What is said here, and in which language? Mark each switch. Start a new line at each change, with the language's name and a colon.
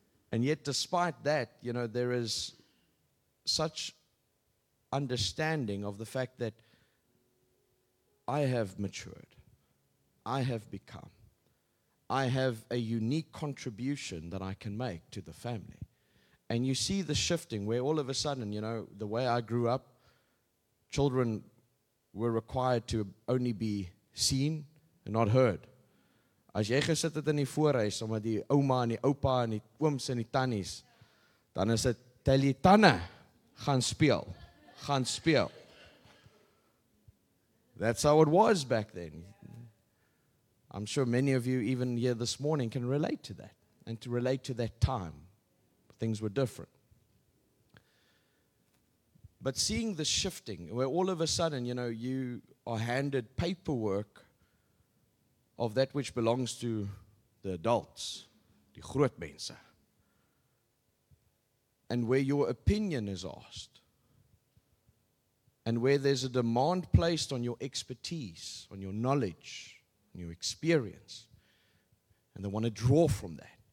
English: And yet despite that, you know, there is such understanding of the fact that I have matured. I have become. I have a unique contribution that I can make to the family. And you see the shifting where all of a sudden, you know, the way I grew up, children were required to only be seen and not heard.
Afrikaans: As jy gesit het in die voorhuis, omdat die ouma en die opa en die ooms en die tannies, dan is het tel die tanne, gaan speel.
English: That's how it was back then. I'm sure many of you, even here this morning, can relate to that and to relate to that time. Things were different. But seeing the shifting, where all of a sudden, you know, you are handed paperwork of that which belongs to the adults,
Afrikaans: die groot mense,
English: and where your opinion is asked, and where there's a demand placed on your expertise, on your knowledge, on your experience, and they want to draw from that.